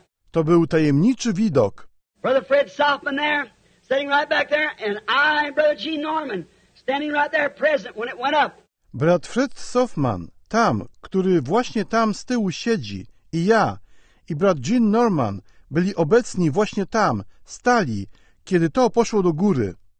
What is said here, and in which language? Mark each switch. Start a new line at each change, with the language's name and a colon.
Polish: To był tajemniczy widok.
English: Brother Fred Southman there, standing right back there, and I, Brother Gene Norman, standing right there present when it went up.
Polish: Brat Fred Softman, tam, który właśnie tam z tyłu siedzi, i ja, i brat Gene Norman byli obecni właśnie tam, stali, kiedy to poszło do góry.